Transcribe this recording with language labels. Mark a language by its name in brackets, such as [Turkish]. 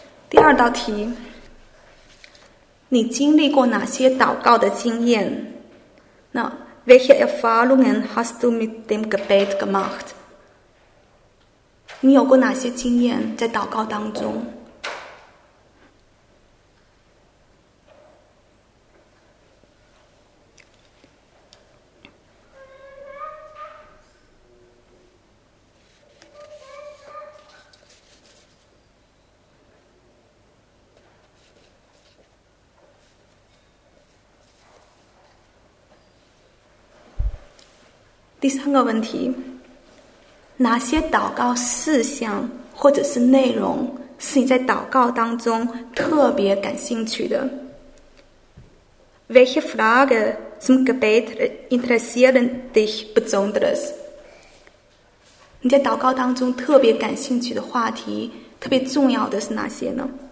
[Chinese] 第二道题，你经历过哪些祷告的经验？ [German] 那 welche Erfahrungen hast du mit dem Gebet gemacht？ [Chinese] 你有过哪些经验在祷告当中？第三个问题，哪些祷告事项或者是内容是你在祷告当中特别感兴趣的？ [German] Welche Frage zum Gebet interessieren dich besonders？ [Chinese] 你在祷告当中特别感兴趣的话题，特别重要的是哪些呢？